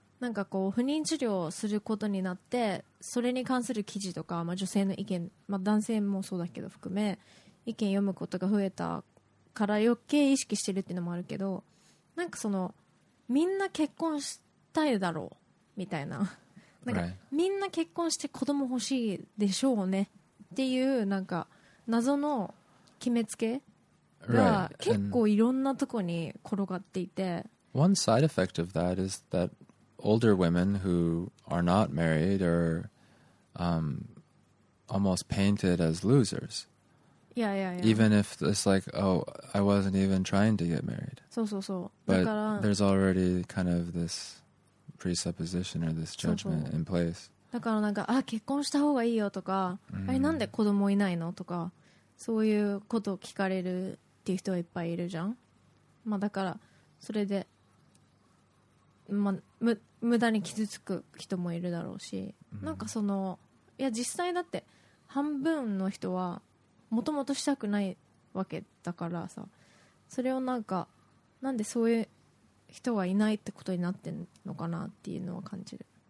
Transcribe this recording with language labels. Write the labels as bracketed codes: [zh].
[ja] なんかこう不妊治療することになってそれに関する記事とか、まあ、女性の意見、まあ、男性もそうだけど含め意見読むことが増えたから余計意識してるっていうのもあるけど、なんかそのみんな結婚したいだろうみたいな、なんか、 [en] right. [ja] みんな結婚して子供欲しいでしょうねっていうなんか謎の決めつけが結構いろんなとこに転がっていて、 [en] right. One side effect of that is that older women who are not married are、almost painted as losers。 Yeah, yeah, yeah. Even if it's like, oh, I wasn't even trying to get married. [ja] そうそうそう。 [en] But there's already kind of this presupposition or this judgment in place. [ja] だからなんか、あ、結婚した方がいいよとか、あれなんで子供いないのとか、そういうことを聞かれるっていう人はいっぱいいるじゃん。まあだから、それで、まあ、無駄に傷つく人もいるだろうし、なんかその、いや実際だって半分の人は、もともとしたくないわけだからさ、それをなんかなんでそういう人はいないってことになってんのかなっていうのは感じる。